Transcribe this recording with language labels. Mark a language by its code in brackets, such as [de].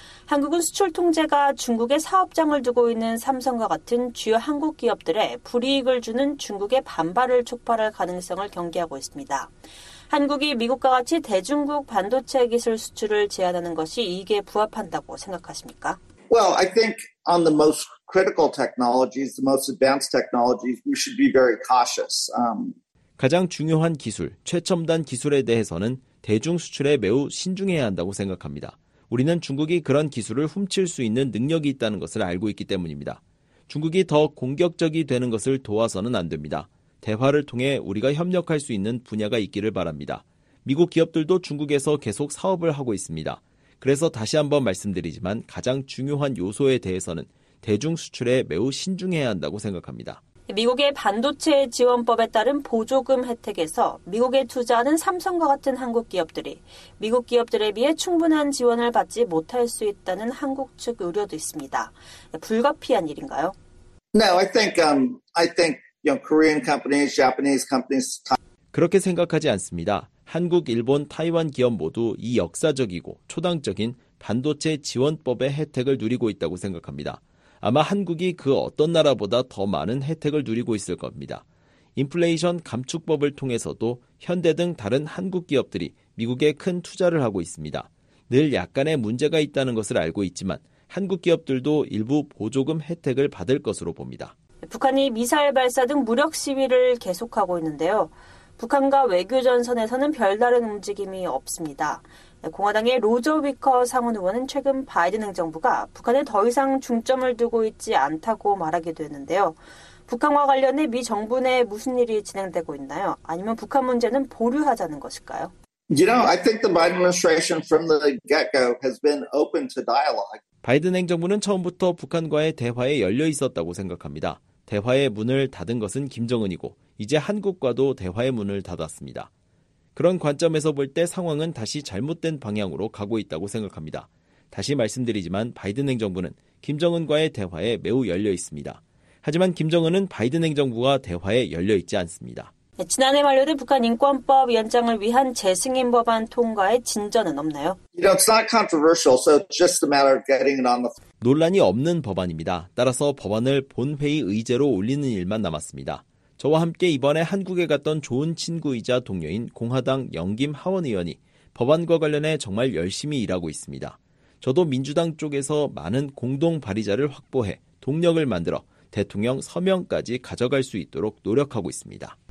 [ko] 한국은 수출 통제가 중국의 사업장을 두고 있는 삼성과 같은 주요 한국 기업들의 불이익을 주는 중국의 반발을 촉발할 가능성을 경계하고 있습니다. 한국이 미국과 같이 대중국 반도체 기술 수출을 제한하는 것이 이익에 부합한다고 생각하십니까? [en] Well, I think on the most critical technologies, the most advanced technologies, we should be very cautious. [ko] 가장 중요한 기술, 최첨단 기술에 대해서는 대중 수출에 매우 신중해야 한다고 생각합니다. 우리는 중국이 그런 기술을 훔칠 수 있는 능력이 있다는 것을 알고 있기 때문입니다. 중국이 더 공격적이 되는 것을 도와서는 안 됩니다. 대화를 통해 우리가 협력할 수 있는 분야가 있기를 바랍니다. 미국 기업들도 중국에서 계속 사업을 하고 있습니다. 그래서 다시 한번 말씀드리지만 가장 중요한 요소에 대해서는 대중 수출에 매우 신중해야 한다고 생각합니다. 미국의 반도체 지원법에 따른 보조금 혜택에서 미국에 투자하는 삼성과 같은 한국 기업들이 미국 기업들에 비해 충분한 지원을 받지 못할 수 있다는 한국 측 우려도 있습니다. 불가피한 일인가요? [en] No, I think you know, Korean companies, Japanese companies. [ko] 그렇게 생각하지 않습니다. 한국, 일본, 타이완 기업 모두 이 역사적이고 초당적인 반도체 지원법의 혜택을 누리고 있다고 생각합니다. 아마 한국이 그 어떤 나라보다 더 많은 혜택을 누리고 있을 겁니다. 인플레이션 감축법을 통해서도 현대 등 다른 한국 기업들이 미국에 큰 투자를 하고 있습니다. 늘 약간의 문제가 있다는 것을 알고 있지만 한국 기업들도 일부 보조금 혜택을 받을 것으로 봅니다. 북한이 미사일 발사 등 무력 시위를 계속하고 있는데요. 북한과 외교 전선에서는 별다른 움직임이 없습니다. 공화당의 로저 위커 상원 의원은 최근 바이든 행정부가 북한에 더 이상 중점을 두고 있지 않다고 말하기도 했는데요. 북한과 관련해 미 정부 내에 무슨 일이 진행되고 있나요? 아니면 북한 문제는 보류하자는 것일까요? [en] You know, I think the Biden administration from the get-go has been open to dialogue. [ko] 바이든 행정부는 처음부터 북한과의 대화에 열려 있었다고 생각합니다. 대화의 문을 닫은 것은 김정은이고 이제 한국과도 대화의 문을 닫았습니다. 그런 관점에서 볼 때 상황은 다시 잘못된 방향으로 가고 있다고 생각합니다. 다시 말씀드리지만 바이든 행정부는 김정은과의 대화에 매우 열려 있습니다. 하지만 김정은은 바이든 행정부와 대화에 열려 있지 않습니다. 지난해 만료된 북한 인권법 연장을 위한 재승인 법안 통과의 진전은 없나요? [en] It's not controversial, so it's just a matter of getting it on the [ko] 논란이 없는 법안입니다. 따라서 법안을 본회의 의제로 올리는 일만 남았습니다. 저와 함께 이번에 한국에 갔던 좋은 친구이자 동료인 공화당 영김 하원 의원이 법안과 관련해 정말 열심히 일하고 있습니다. 저도 민주당 쪽에서 많은 공동 발의자를 확보해 동력을 만들어 대통령 서명까지 가져갈 수 있도록 노력하고 있습니다.